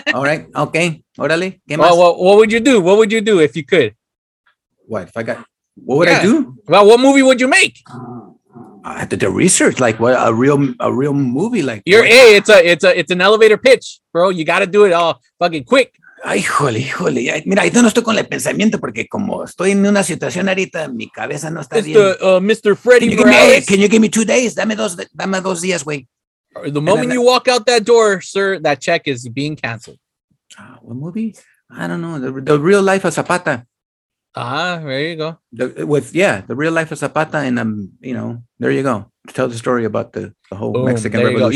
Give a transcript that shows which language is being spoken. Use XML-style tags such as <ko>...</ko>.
<en>All right, okay. Orale. What would you do? What would you do if you could? What? If I got... What would I do? Well, what movie would you make? I have to do research. Like, what? A real movie? Like, you're right? It's an elevator pitch, bro. You got to do it all fucking quick. Ay, jole.</en> <es>Mira, ahorita no estoy con el pensamiento porque como estoy en una situación ahorita, mi cabeza no está bien.</es> <en>Mr. Freddy Morales. Can you give me 2 days?</en> <es>Dame dos días, güey.</es> <en>The moment you walk out that door, sir, that check is being canceled. What movie? I don't know. The Real Life of Zapata. There you go. The Real Life of Zapata, and there you go. To tell the story about the whole Mexican Revolution.</en>